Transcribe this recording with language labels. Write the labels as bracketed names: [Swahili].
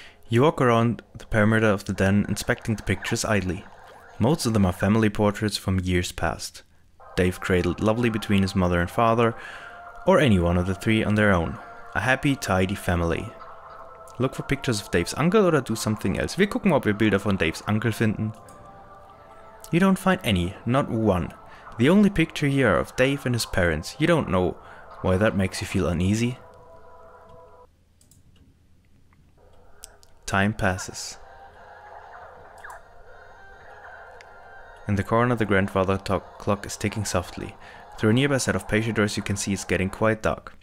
[English] You walk around the perimeter of the den, inspecting the pictures idly. Most of them are family portraits from years past. Dave cradled lovely between his mother and father, or any one of the three on their own. A happy, tidy family. Look for pictures of Dave's uncle or do something else. [German] Wir gucken, ob wir Bilder von [English] Dave's uncle [German] finden. [English] You don't find any, not one. The only picture here are of Dave and his parents. You don't know why that makes you feel uneasy. Time passes. In the corner, the grandfather clock is ticking softly. Through a nearby set of patio doors, you can see it's getting quite dark.